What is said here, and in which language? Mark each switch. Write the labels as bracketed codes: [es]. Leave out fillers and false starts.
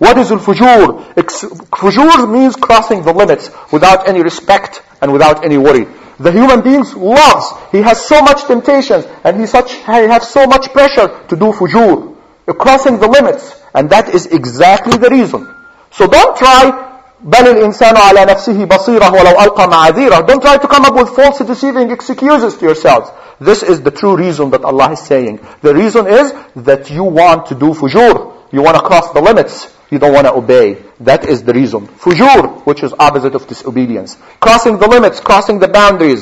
[en] What is الفجور? Fujur means crossing the limits without any respect and without any worry. The human beings loves. He has so much temptations and he has so much pressure to do fujur, crossing the limits. And that is exactly the reason. So don't try, [ar] بَلِ الْإِنسَانُ عَلَىٰ نَفْسِهِ بَصِيرًا وَلَوْ أَلْقَى مَعَذِيرًا. [en] Don't try to come up with false deceiving excuses to yourselves. This is the true reason that Allah is saying. The reason is that you want to do fujur. You want to cross the limits. You don't want to obey. That is the reason. Fujur, which is opposite of disobedience. Crossing the limits, crossing the boundaries.